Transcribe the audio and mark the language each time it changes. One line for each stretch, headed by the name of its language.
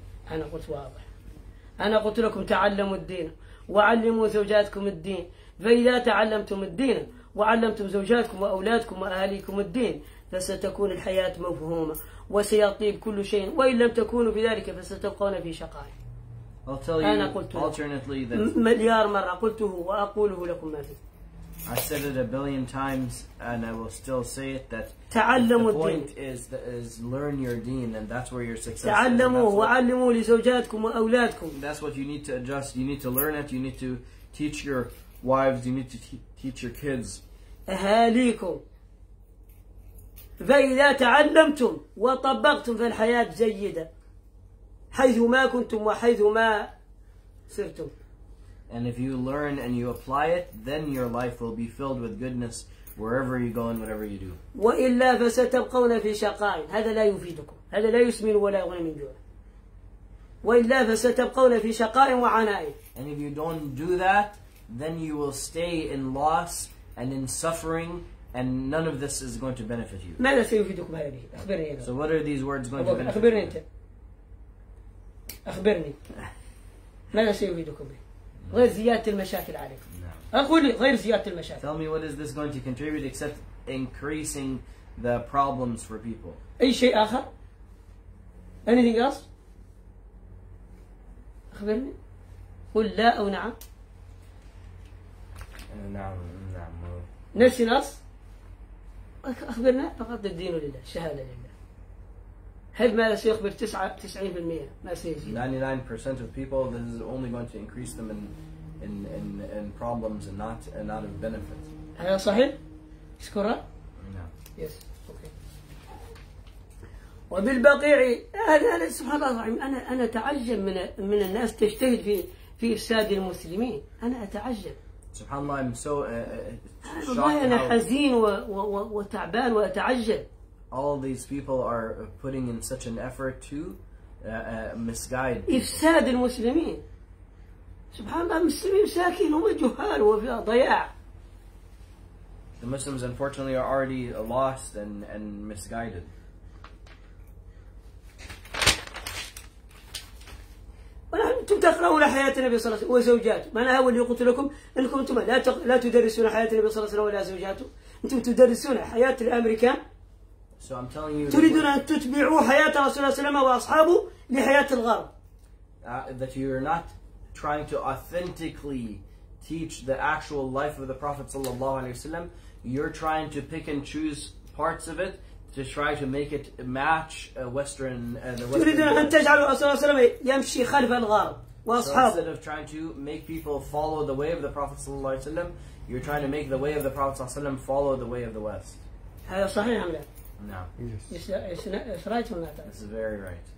Arabic: أنا قلت واضح أنا قلت لكم تعلموا الدين وعلموا زوجاتكم الدين فإذا تعلمتم الدين وعلمتم زوجاتكم وأولادكم وأهليكم الدين فستكون الحياة مفهومة وسيطيب كل شيء وإن لم تكونوا بذلك فستبقون في شقاء. أنا قلت
English: alternately that
Arabic: مليار مرة قلته وأقوله لكم ما فيه.
English: I said it a billion times and I will still say it that
Arabic: تعلموا
English: the point is learn your deen and that's where your success
Arabic: تعلموا
English: is.
Arabic: وعلموا لزوجاتكم وأولادكم.
English: That's what you need to adjust. You need to learn it. You need to teach your wives, you need to teach your kids.
Arabic: أهاليكم. فإذا تعلمتم وطبقتم فالحياة جيدة. حيثما كنتم وحيثما صرتم.
English: And if you learn and you apply it, then your life will be filled with goodness wherever you go and whatever you do.
Arabic: وإلا فستبقون في شقاء. هذا لا يفيدكم. هذا لا يسمن ولا يغني من جوع. وإلا فستبقون في شقاء وعناء.
English: And if you don't do that, then you will stay in loss and in suffering and none of this is going to benefit you.
Arabic: ماذا سيفيدكم هذه؟ أخبرني أنا.
English: So what are these words going to benefit you?
Arabic: أخبرني أنت. أخبرني. ماذا سيفيدكم به؟ غير زيادة المشاكل عليكم. نعم. أقول غير زيادة المشاكل.
English: Tell me what is this going to contribute except increasing the problems for people.
Arabic: أي شيء آخر؟
English: Anything else?
Arabic: أخبرني. قل لا أو نعم. نعم نعم نفس نص أخبرنا فقط الدين لله الشهادة لله هل ما سيخبر 99% ما سيزيد
English: 99% of people this is only going to increase them in problems and not of benefit.
Arabic: هذا صحيح شكرا نعم
English: yes okay
Arabic: وبالبقيع هذا سبحان الله العظيم أنا أتعجب من الناس تجتهد في إفساد المسلمين أنا أتعجب.
English: Subhanallah, I'm so shocked. All these people are putting in such an effort to misguide people.
Arabic: إفساد المسلمين. سبحان الله المسلمين مساكين هم جهال وفي ضياع.
English: The Muslims unfortunately are already lost and misguided.
Arabic: أنتم تقرؤون حياة النبي صلى الله عليه وسلم وزوجاته. ما أنا أول يقول لكم أنكم أنتم لا تدرسون حياة النبي صلى الله عليه وسلم ولا زوجاته. أنتم تدرسون حياة الأمريكان.
English: So I'm telling you.
Arabic: تريدون أن تتبعوا حياة رسول الله صلى الله عليه وسلم وأصحابه لحياة الغرب.
English: That you are not trying to authentically teach the actual life of the Prophet صلى الله عليه وسلم. You're trying to pick and choose parts of it to try to make it match Western the Western.
Arabic: تريدون أن تجعلوا رسول الله صلى الله عليه وسلم يمشي خلف الغرب وأصحابه.
English: So instead of trying to make people follow the way of the Prophet صلى الله عليه وسلم, you're trying to make the way of the Prophet صلى الله عليه وسلم follow the way of the West.
Arabic: هذا صحيح أم لا؟
English: No. Yes. It's right or not? It's very right.